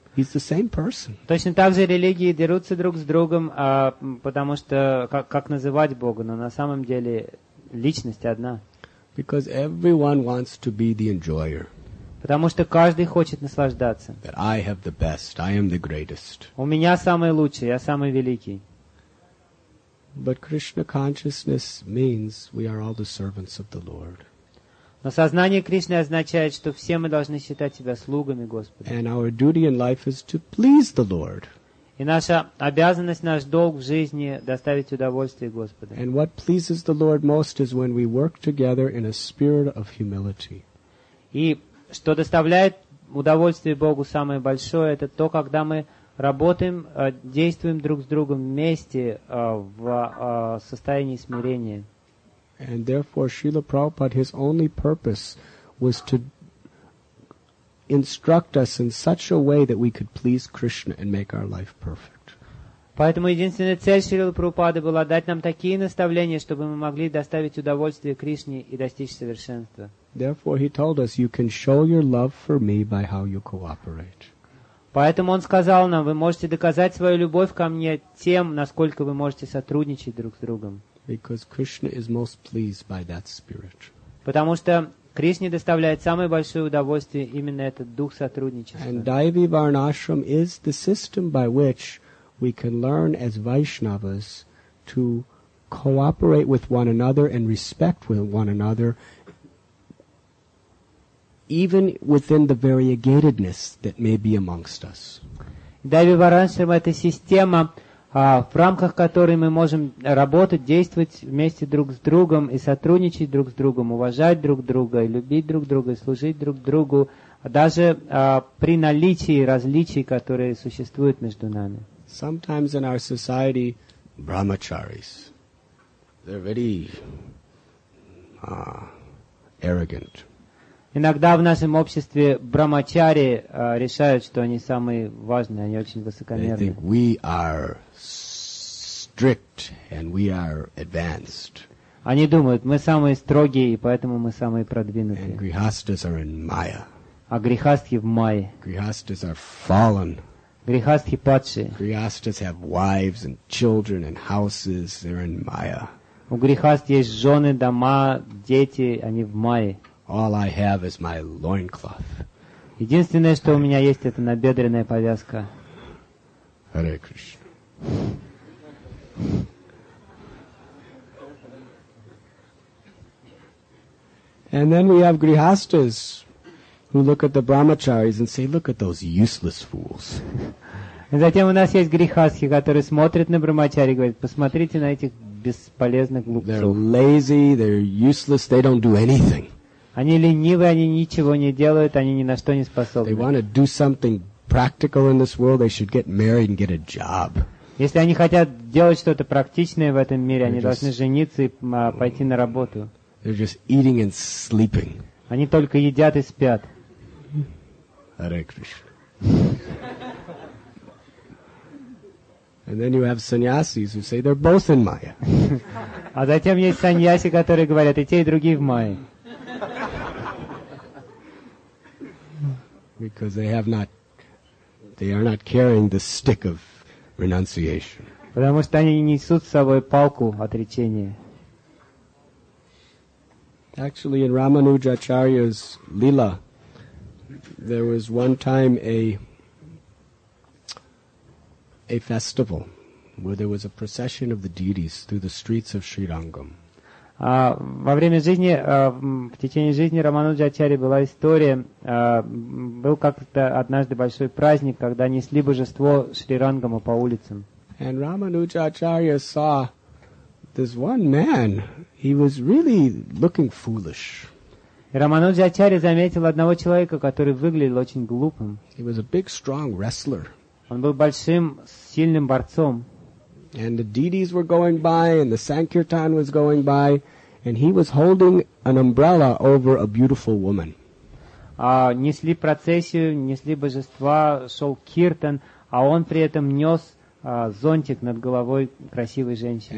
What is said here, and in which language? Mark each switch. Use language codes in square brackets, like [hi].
[en] He's the same person. [ru] Точно так же религии дерутся друг с другом, потому что как называть Бога, но на самом деле личность одна. [en] Because everyone wants to be the enjoyer. [ru] Потому что каждый хочет наслаждаться. [en] That I have the best, I am the greatest. [ru] У меня самый лучший, я самый великий. [en] But Krishna consciousness means we are all the servants of the Lord. [ru] Но сознание Кришны означает, что все мы должны считать себя слугами Господа. [en] And our duty in life is to please the Lord. [ru] И наша обязанность, наш долг в жизни доставить удовольствие Господу. [en] And what pleases the Lord most is when we work together in a spirit of humility. [ru] И что доставляет удовольствие Богу самое большое, это то, когда мы работаем, действуем друг с другом вместе в состоянии смирения. [en] And therefore, Srila Prabhupada, his only purpose was to instruct us in such a way that we could please Krishna and make our life perfect. [ru] Поэтому единственная цель Шрилы Прабхупады была дать нам такие наставления, чтобы мы могли доставить удовольствие Кришне и достичь совершенства. [en] Therefore, he told us, you can show your love for me by how you cooperate. [ru] Поэтому он сказал нам, вы можете доказать свою любовь ко мне тем, насколько вы можете сотрудничать друг с другом. [en] Because Krishna is most pleased by that spirit. [ru] Потому что Кришне доставляет самое большое удовольствие именно этот дух сотрудничества. [en] And Daivi Varnashram is the system by which we can learn as Vaishnavas to cooperate with one another and respect with one another even within the variegatedness that may be amongst us. [ru] Daivi Varnashram – это система, в рамках которой мы можем работать, действовать вместе друг с другом и сотрудничать друг с другом, уважать друг друга, и любить друг друга, и служить друг другу, даже при наличии различий, которые существуют между нами. [en] Sometimes in our society, brahmacharis, they're very arrogant. [ru] Иногда в нашем обществе брахмачари решают, что они самые важные, они очень высокомерные. [en] They think we are strict and we are advanced. [ru] Они думают, мы самые строгие, и поэтому мы самые продвинутые. [en] And grihasthas are in maya. [ru] А грехастхи в майе. [en] Grihasthas are fallen. [ru] Грехастхи падшие. [en] Grihasthas have wives and children and houses. They're in maya. [ru] У грехаст есть жены, дома, дети, они в майе. [en] All I have is my loincloth. [ru] Единственное, что у меня есть, это набедренная повязка. [sa] Hare Krishna. [en] And then we have grihasthas who look at the brahmacharis and say, look at those useless fools. [ru] И затем у нас есть грихасхи, которые смотрят на брахмачари и говорят, посмотрите на этих бесполезных глупцов. [en] They're lazy, they're useless, they don't do anything. [ru] Они ленивы, они ничего не делают, они ни на что не способны. [en] They want to do something practical in this world, they should get married and get a job. [ru] Если они хотят делать что-то практичное в этом мире, они должны жениться и пойти на работу. [en] They're just eating and sleeping. [ru] Они только едят и спят. [sa] Hare Krishna. [en] And then you have sannyasis who say they're both in Maya. [ru] А затем есть саньяси, которые говорят, и те, и другие в Майе. [en] Because they are not carrying the stick of renunciation. [ru] Потому что они несут с собой палку отречения. [en] Actually, in Ramanujacharya's Lila, there was one time a festival where there was a procession of the deities through the streets of Sri Rangam. [ru] Во время жизни, в течение жизни Рамануджачарьи была история, был как-то однажды большой праздник, когда несли божество Шри Рангама по улицам. [en] And Ramanujacharya saw this one man, he was really looking foolish. [ru] Рамануджачарья заметил одного человека, который выглядел очень глупым. [en] He was a big, strong wrestler. [ru] Он был большим, сильным борцом. [en] And the deities were going by, and the Sankirtan was going by, and he was holding an umbrella over a beautiful woman. [ru] Несли процессию, несли божества, шел Киртан, а он при этом нес зонтик над головой красивой женщины.